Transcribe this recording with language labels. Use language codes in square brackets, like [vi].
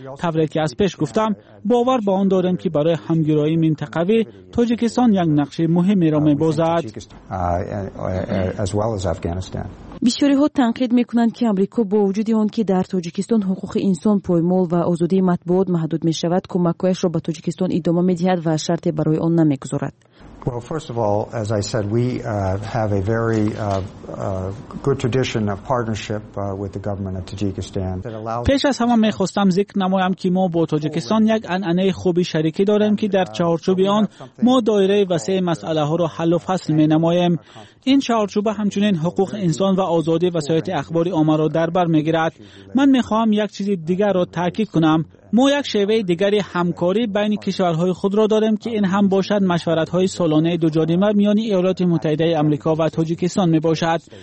[fa] طوری که از پیش گفتم، باور به آن دارم که برای همگرایی منطقوی تاجیکستان یک نقش مهمی را می‌بازد. بسیاری‌ها تنقید می‌کنند که آمریکا با وجود آن که در تاجیکستان حقوق انسان، پایمال و آزادی مطبوعات محدود می‌شود، کمک‌هایش را به تاجیکستان ادامه می‌دهد و شرطی برای آن نمی‌گذارد. [en] Well, first of all, as I said, we have a very good tradition of partnership with the government of Tajikistan. [fa] پیش از همه می‌خواستم ذکر نمایم که ما با تاجیکستان یک انعنه خوبی شریکی داریم که در چهارچوب آن ما دایره وسیع مسئله ها را حل و فصل می نماییم. این چهارچوب همچنین حقوق انسان و آزادی وسایط اخبار عامه را در بر می گیرد. من می خواهم یک چیز دیگر را تاکید کنم. ما یک شیوه دیگری همکاری بین کشورهای خود را داریم که این هم باشد مشورت‌های سالانه دوجانبه میان ایالات متحده آمریکا و تاجیکستان میباشد.